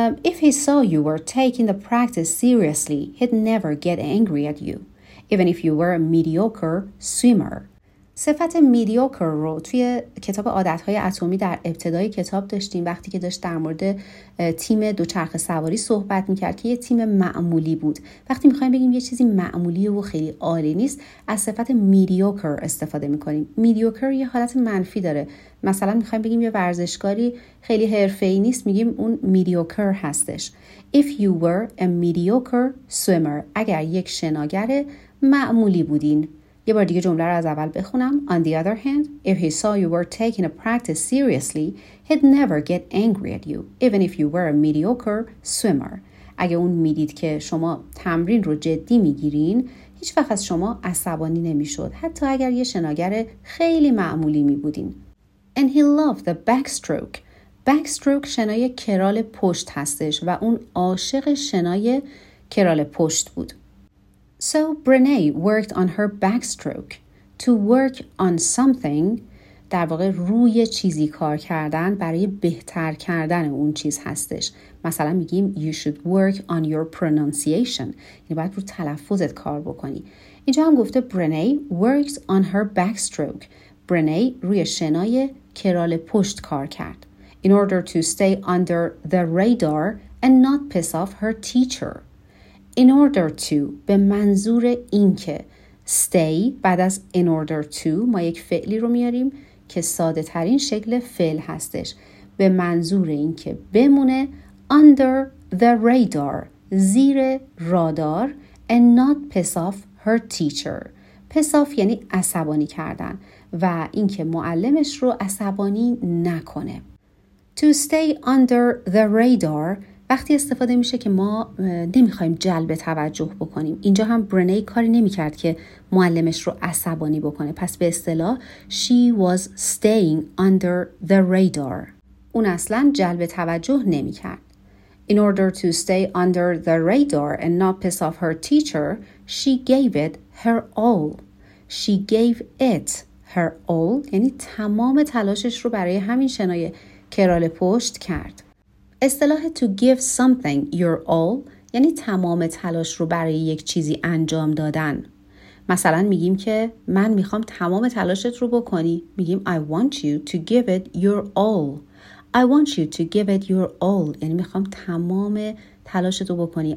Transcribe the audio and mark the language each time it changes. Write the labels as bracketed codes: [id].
[en] If he saw you were taking the practice seriously، he'd never get angry at you، even if you were a mediocre swimmer. [fa] صفت میدیوکر رو توی کتاب عادت‌های اتمی در ابتدای کتاب داشتیم، وقتی که داشت در مورد تیم دوچرخه سواری صحبت می‌کرد که یه تیم معمولی بود. وقتی می‌خوایم بگیم یه چیزی معمولیه و خیلی عالی نیست، از صفت میدیوکر استفاده می‌کنیم. میدیوکر یه حالت منفی داره. مثلا می‌خوایم بگیم یه ورزشکاری خیلی حرفه‌ای نیست، می‌گیم اون میدیوکر هستش. [en] If you were a mediocre swimmer، [fa] اگر یک شناگر معمولی بودین. یه بار دیگه جمله رو از اول بخونم. [en] On the other hand, if he saw you were taking a practice seriously, he'd never get angry at you, even if you were a mediocre swimmer. [fa] اگه اون میدید که شما تمرین رو جدی میگیرین، هیچ وقت از شما عصبانی نمیشد، حتی اگر یه شناگر خیلی معمولی میبودین. [en] And he loved the backstroke. [fa] Backstroke شنای کرال پشت هستش و اون عاشق شنای کرال پشت بود. [en] So Brené worked on her backstroke. To work on something، [fa] در واقع روی چیزی کار کردن برای بهتر کردن اون چیز هستش. مثلا میگیم [en] you should work on your pronunciation، [fa] یعنی باید رو تلفظت کار بکنی. اینجا هم گفته [en] Brené worked on her backstroke. [fa] Brené روی شنای کرال پشت کار کرد. [en] in order to stay under the radar and not piss off her teacher. In order to [fa] به منظور اینکه stay بعد از [en] in order to [fa] ما یک فعلی رو میاریم که ساده ترین شکل فعل هستش به منظور اینکه بمونه [en] under the radar [fa] زیر رادار [en] and not piss off her teacher. [fa] پس آف یعنی عصبانی کردن و اینکه معلمش رو عصبانی نکنه. [en] To stay under the radar [fa] وقتی استفاده میشه که ما نمیخوایم جلب توجه بکنیم. اینجا هم برنی کاری نمیکرد که معلمش رو عصبانی بکنه. پس به اصطلاح [en] she was staying under the radar. [fa] اون اصلا جلب توجه نمیکرد. [en] In order to stay under the radar and not piss off her teacher, she gave it her all. She gave it her all. [fa] یعنی تمام تلاشش رو برای همین شنای کرال پشت کرد. اصطلاح to give something your all یعنی تمام تلاش رو برای یک چیزی انجام دادن. مثلا میگیم که من میخوام تمام تلاشت رو بکنی. میگیم [en] I want you to give it your all. I want you to give it your all. [fa] یعنی میخوام تمام تلاشت رو بکنی.